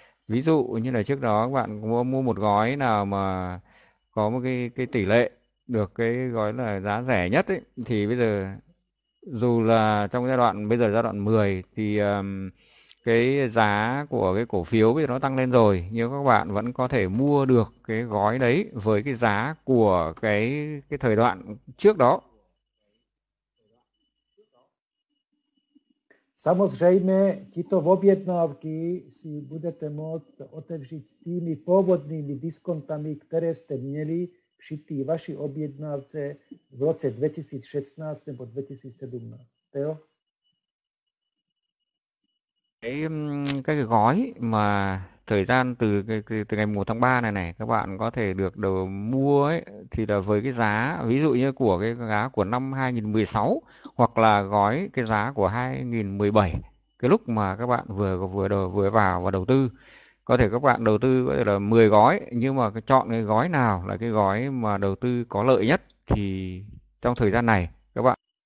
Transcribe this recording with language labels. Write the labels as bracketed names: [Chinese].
[Vietnamese] Ví dụ như là trước đó các bạn mua một gói nào mà có một cái tỷ lệ được cái gói là giá rẻ nhất ấy, thì bây giờ dù là trong giai đoạn bây giờ giai đoạn 10 thì cái giá của cái cổ phiếu bây giờ nó tăng lên rồi, nhưng các bạn vẫn có thể mua được cái gói đấy với cái giá của cái thời đoạn trước đó. [Czech] Samozřejmě, tyto objednávky si budete moct otevřít s těmi původními diskontami, které jste měli při té vaší objednávce v roce 2016 nebo 2017. Jo? [Vietnamese] Cái gói mà thời gian từ ngày 1 tháng 3 này này các bạn có thể được đồ mua ấy, thì là với cái giá ví dụ như của cái giá của năm 2016 hoặc là gói cái giá của 2017 cái lúc mà các bạn vừa vào và đầu tư, có thể các bạn đầu tư có thể là 10 gói nhưng mà chọn cái gói nào là cái gói mà đầu tư có lợi nhất thì trong thời gian này các bạn.